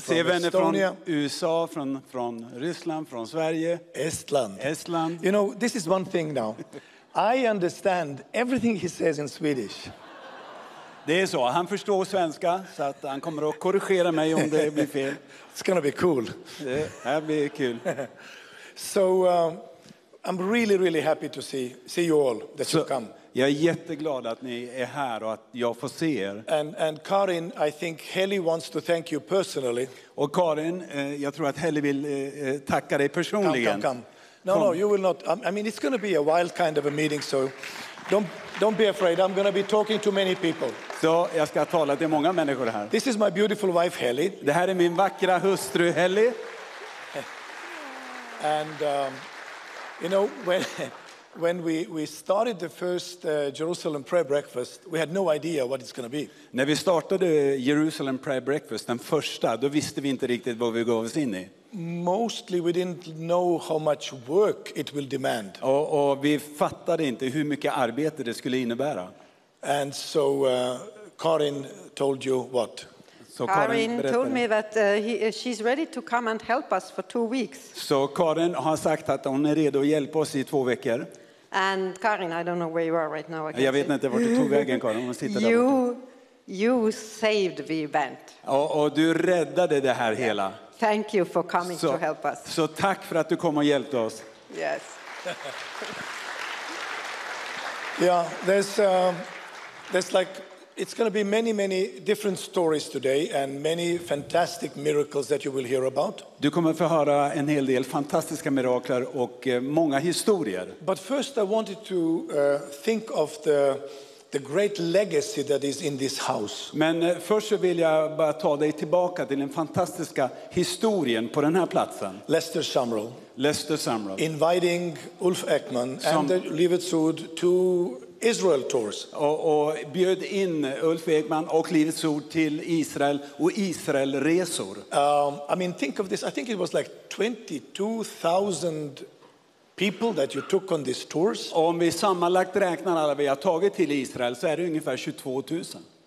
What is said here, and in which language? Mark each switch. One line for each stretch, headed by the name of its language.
Swedish: Se vänner från USA, från Ryssland, från Sverige.
English: Estland. You know, this is one thing now. I understand everything he says in Swedish.
Swedish: Det är så. Han förstår svenska, så att han kommer att korrigera mig om det blir fel.
English: It's gonna be cool.
Swedish: Det här blir kul.
English: So I'm really, really happy to see you all that you come.
Swedish: Jag är jätteglad att ni är här och att jag får se er.
English: And Karin, I think Helly wants to thank you personally.
Swedish: Och Karin, jag tror att Helly vill tacka dig personligen.
English: Come. No, you will not. I mean, it's gonna be a wild kind of a meeting, so. Don't be afraid. I'm going to be talking to many people.
Swedish: Så jag ska tala till många människor här.
English: This is my beautiful wife Helly.
Swedish: Det här är min vackra hustru Helly.
English: And you know, when we started the first Jerusalem Prayer Breakfast, we had no idea what it's going to be.
Swedish: När vi startade Jerusalem Prayer Breakfast, den första, då visste vi inte riktigt vad vi gav oss in i.
English: Mostly we didn't know how much work it will demand.
Swedish: Och vi fattade inte hur mycket arbete det skulle innebära.
English: And so Karin told you what? So Karin told me that she's ready to come and help us for 2 weeks.
Swedish: Så Karin har sagt att hon är redo att hjälpa oss i 2 veckor.
English: And Karin, I don't know where you are right now.
Swedish: Jag vet inte vart du tog vägen Karin, hon sitter där.
English: You saved the event.
Swedish: Och du räddade det här hela.
English: Thank you for coming to help us.
Swedish: Så tack för att du kom och hjälpte oss.
English: Yes. Yeah, there's like, it's going to be many, many different stories today and many fantastic miracles that you will hear about.
Swedish: Du kommer få höra en hel del fantastiska mirakler och många historier.
English: But first I wanted to think of the great legacy that is in this house.
Swedish: Men först så vill jag bara ta dig tillbaka till den fantastiska historien på den här platsen.
English: Lester Sumrall. Inviting Ulf Ekman and the Livets Ord to Israel tours.
Swedish: Och bjöd in Ulf Ekman och Livets Ord till Israel och Israel resor.
English: I mean, think of this. I think it was like 22,000 people that you took on these tours.
Swedish: Om vi sammanlagt räknar alla vi har tagit till Israel så är det ungefär 22,000.